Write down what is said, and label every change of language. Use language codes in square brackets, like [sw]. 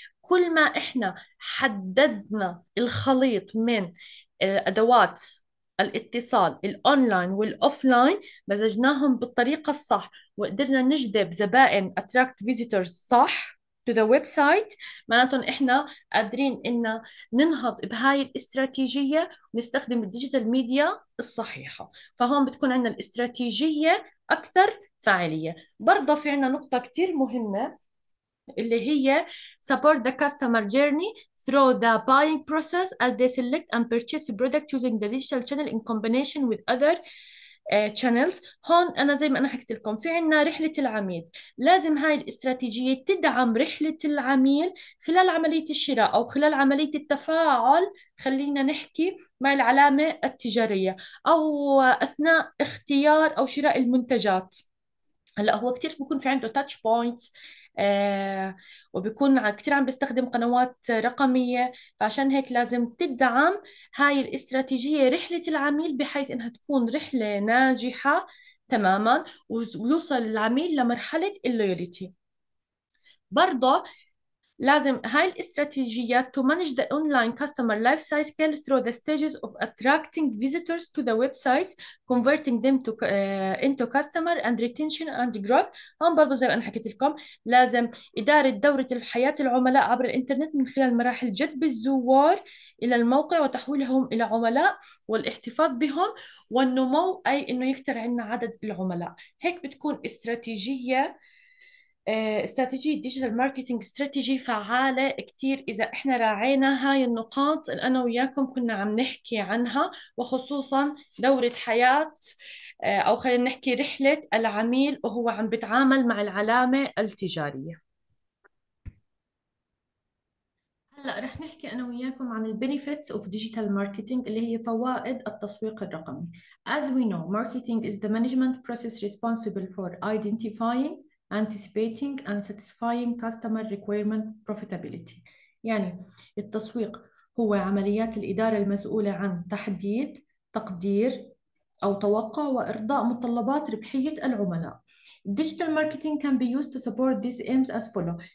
[ar] كل ما إحنا حددنا الخليط من أدوات الاتصال الأونلاين والأوفلاين، مزجناهم بالطريقة الصح وقدرنا نجذب زبائن [en] attract visitors [ar] صح [en] to the website، [ar] معناته احنا قادرين ان ننهض بهاي الاستراتيجية ونستخدم الديجيتال ميديا الصحيحة. فهون بتكون عندنا الاستراتيجية اكثر فاعلية. برضه في عندنا نقطة كثير مهمة اللي هي [en] support the customer journey through the buying process as they select and purchase a product using the digital channel in combination with other channels. [ar] هون أنا زي ما أنا حكيت لكم في عنا رحلة العميل، لازم هاي الاستراتيجية تدعم رحلة العميل خلال عملية الشراء أو خلال عملية التفاعل، خلينا نحكي مع العلامة التجارية، أو أثناء اختيار أو شراء المنتجات. هلأ هو كتير بيكون في عنده تاتش بوينتس، وبيكون كتير عم بيستخدم قنوات رقمية، فعشان هيك لازم تدعم هاي الاستراتيجية رحلة العميل بحيث إنها تكون رحلة ناجحة تماما ويوصل العميل لمرحلة اللويالتي. برضه لازم هاي الاستراتيجيات [en] to manage the online customer life cycle through the stages of attracting visitors to the websites, converting them to into customer and retention and growth. [ar] هون برضو زي ما انا حكيت لكم لازم إدارة دورة الحياة العملاء عبر الإنترنت من خلال مراحل جذب الزوار إلى الموقع وتحويلهم إلى عملاء والاحتفاظ بهم والنمو، أي إنه يكثر عندنا عدد العملاء. هيك بتكون استراتيجية استراتيجية ديجيتال ماركتينج استراتيجي فعالة كتير إذا إحنا راعينا هاي النقاط اللي أنا وياكم كنا عم نحكي عنها، وخصوصا دورة حياة أو خلينا نحكي رحلة العميل وهو عم بتعامل مع العلامة التجارية. هلأ رح نحكي أنا وياكم عن الـ [en] benefits of digital marketing [ar] اللي هي فوائد التسويق الرقمي. [en] As we know, marketing is the management process responsible for identifying, anticipating and satisfying customer requirement profitability. [ar] يعني التسويق هو عمليات الإدارة المسؤولة عن تحديد، تقدير أو توقع وإرضاء متطلبات ربحية العملاء. [en] Digital marketing can be used to support these aims as follow.